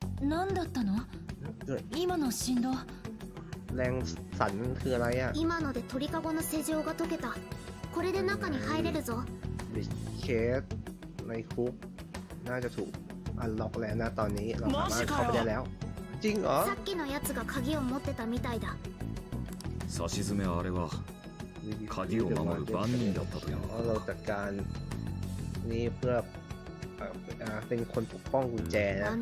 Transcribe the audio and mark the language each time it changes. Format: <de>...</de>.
<ja>นั่นだったの今の振動</ja> <th>แรงสั่นคืออะไรอ่ะ</th> <ja>今ので鳥籠の施錠が解けたこれで中に入れるぞ</ja> <th>เคสในคุกน่าจะถูกอันล็อกแล้วนะตอนนี้เราสามารถเข้าไปได้แล้วจริงเหรอ</th> <ja>さっきのやつが鍵を持ってたみたいだ差し詰めあれは鍵を守る番人だったという</ja> <th>のเราจัดการนี่เพื่อเป็นคนปกป้องกุญแจนะ</th>